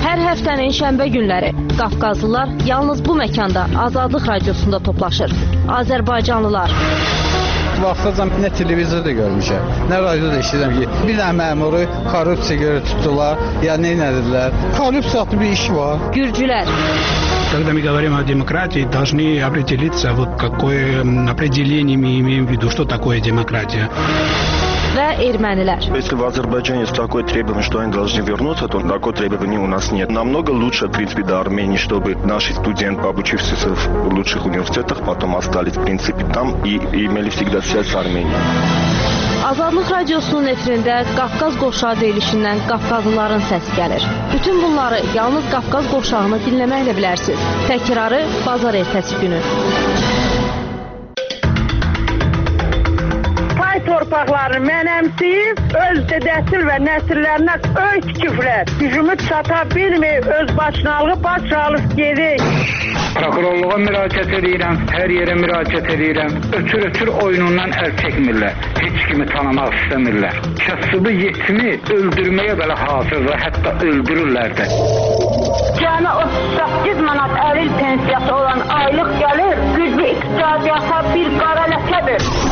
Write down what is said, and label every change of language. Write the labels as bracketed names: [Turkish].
[Azerbaijani] Həftənin şənbə günləri Qafqazlılar yalnız bu məkanda Azadlıq radiosunda toplaşır. Azərbaycanlılar. Baxacam, nə televizorda görmüşəm, nə radioda işləyirəm ki, bir dənə məmuru korrupsiya görə tutdular, ya nə edirlər? Korrupsiya adlı bir iş var. Gürcülər. [Russian] Когда мы говорим о демократии, должны определиться, вот какое определение мы имеем в виду, что такое демократия. [Azerbaijani] Və ermənilər. [Russian] Если в Азербайджане есть такое требование, что они должны вернуться, то такого требования у нас нет. Намного лучше, в принципе, до Армении, чтобы наши студенты, обучившиеся в лучших университетах, потом остались, в принципе, там и имели всегда связь с Арменией. [Azerbaijani] Azadlıq radiosunun efirində Qafqaz qoşağı deyilişindən Qafqazlıların səsi gəlir. Bütün bunları yalnız Qafqaz qoşağını dinləməklə bilərsiniz. Təkrarı bazar ertəsi günü. Torpaqlarını mənəmsiz, öz dedəsil və nəsillərinə öz küflər. Gücümü çata bilmir, öz başınalığı baş alıb gedir. Prokurorluğa müraciət edirəm, hər yerə müraciət edirəm. Ötür-ötür oyunundan əl çəkmirlər, heç kimi tanımaq istəmirlər. Kəsibi yetimi öldürməyə belə hazır və hətta öldürürlər də. Cəmi 38 manat əlil pensiyası olan aylıq gəlir, güclü iqtisadiyyata bir qara ləkədir.